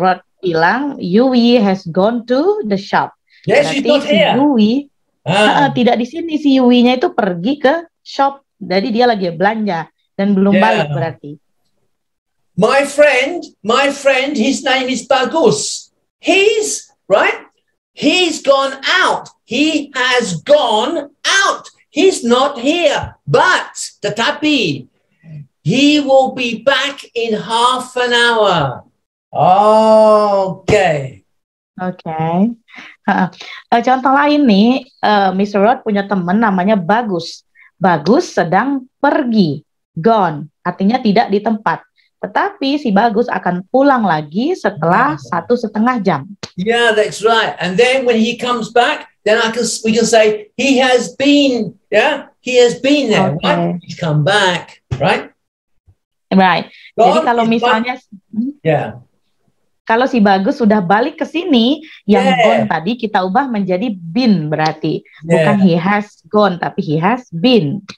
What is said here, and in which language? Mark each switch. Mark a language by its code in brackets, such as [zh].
[en] Rod [id] bilang [en] Yui has gone to the shop. Yes, she's not here. [id] Si Yui tidak di sini. Si Yui-nya itu pergi ke shop. Jadi dia lagi belanja. Dan belum balik berarti. [en] My friend, his name is Bagus. He's, right? He's gone out. He has gone out. He's not here. But, [id] tetapi, [en] he will be back in half an hour. Okay. [id] Okay. Contoh lain nih, Mr. Rod punya teman namanya Bagus. Bagus sedang pergi. Gone, artinya tidak di tempat. Tetapi si Bagus akan pulang lagi setelah 1.5 jam. [en] Yeah, that's right. And then when he comes back, then we can say he has been. Yeah, he has been there. Okay. Right? He's come back, right? [id] Right. Gone. Jadi kalau misalnya, kalau si Bagus sudah balik ke sini, yang gone tadi kita ubah menjadi been berarti bukan [en] he has gone [id] tapi [en] he has been.